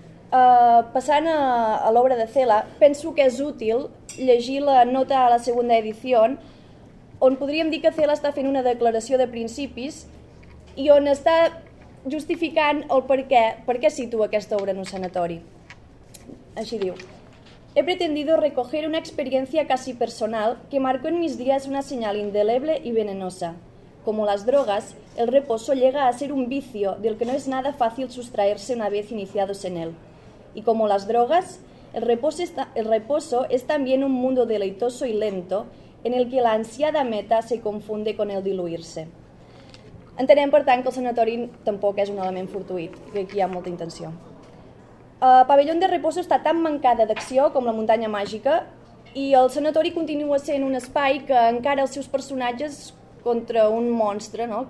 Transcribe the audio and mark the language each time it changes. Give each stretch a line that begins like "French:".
Catalan: Passant a l'obra de Cela, penso que és útil llegir la nota a la segunda edició, on podríem dir que Cela està fent una declaració de principis i on està justificant el per què situa aquesta obra en un sanatori. Així diu:
Spanish: he pretendido recoger una experiencia casi personal que marcó en mis días una señal indeleble y venenosa. Como las drogas, el reposo llega a ser un vicio del que no es nada fácil sustraerse una vez iniciados en él. Y como las drogas, el reposo es también un mundo deleitoso y lento en el que la ansiada meta se confunde con el diluir-se.
Catalan: Entenem, per tant, que el sanatori tampoc és un element fortuït, que aquí hi ha molta intenció. El pavellón de reposo està tan mancada d'acció com la muntanya màgica i el sanatori continua sent un espai que encara els seus personatges contra un monstre, no?